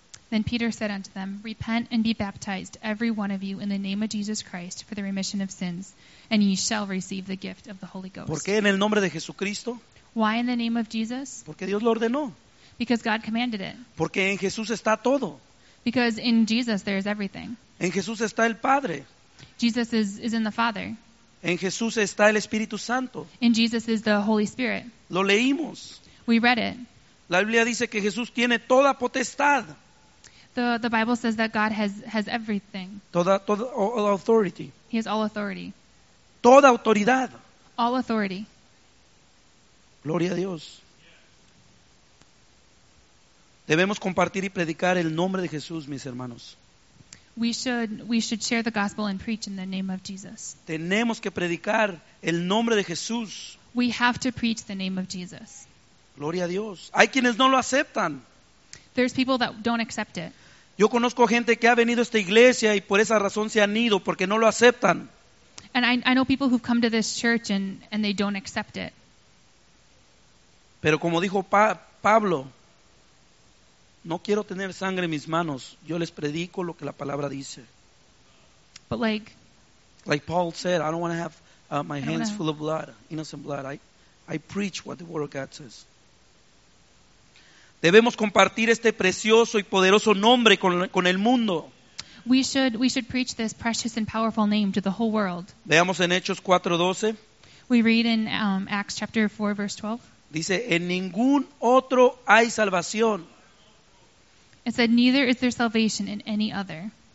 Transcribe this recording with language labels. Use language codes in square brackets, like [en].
[en] Then Peter said unto them, repent and be baptized, every one of you, in the name of Jesus Christ for the remission of sins, and ye shall receive the gift of the Holy Ghost. [es] ¿Por qué en el nombre de Jesucristo? [en] Why in the name of Jesus? [es] Porque Dios lo ordenó. [en] Because God commanded it. [es] Porque en Jesús está todo. [en] Because in Jesus there is everything. [es] En Jesús está el Padre. [en] Jesus is in the Father. [es] En Jesús está el Espíritu Santo. [en] In Jesus is the Holy Spirit. [es] Lo leímos. [en] We read it. [es] La Biblia dice que Jesús tiene toda potestad. [en] The Bible says that God has everything. [es] Toda [en] all authority. He has all authority. [es] Toda autoridad. [en] All authority. [es] Gloria a Dios. Debemos compartir y predicar el nombre de Jesús, mis hermanos. [en] We should share the gospel and preach in the name of Jesus. [es] Tenemos que predicar el nombre de Jesús. [en] We have to preach the name of Jesus. [es] Gloria a Dios. Hay quienes no lo aceptan. [en] There's people that don't accept it. [es] Yo conozco gente que ha venido a esta iglesia y por esa razón se han ido porque no lo aceptan. [en] And I know people who've come to this church and they don't accept it. [es] Pero como dijo Pablo, no quiero tener sangre en mis manos. Yo les predico lo que la palabra dice. [en] But like Paul said, I don't want to have my hands full of blood, innocent blood. I preach what the word of God says. [es] Debemos compartir este precioso y poderoso nombre con el mundo. [en] We should preach this precious and powerful name to the whole world. [es] Veamos en Hechos 4:12. [en] We read in Acts chapter 4 verse 12. [es] Dice, en ningún otro hay salvación. [en] It said, neither is there salvation in any other.